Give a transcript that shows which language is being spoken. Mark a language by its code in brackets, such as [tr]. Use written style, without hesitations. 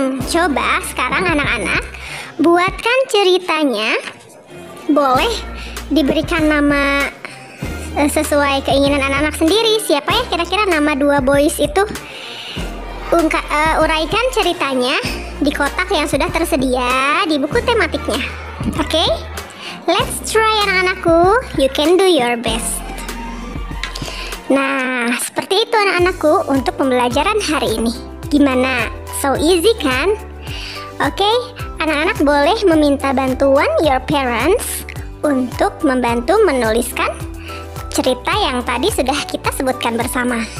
[id] Coba sekarang anak-anak, buatkan ceritanya. Boleh diberikan nama sesuai keinginan anak-anak sendiri. Siapa ya kira-kira nama [en] 2 boys [id] itu? Uraikan ceritanya di kotak yang sudah tersedia di buku tematiknya. Okay? [en] Let's try [id] anak-anakku, [en] you can do your best. [id] Nah, seperti itu anak-anakku untuk pembelajaran hari ini. Gimana? [en] So easy [id] kan? Okay, anak-anak boleh meminta bantuan [en] your parents [id] untuk membantu menuliskan cerita yang tadi sudah kita sebutkan bersama.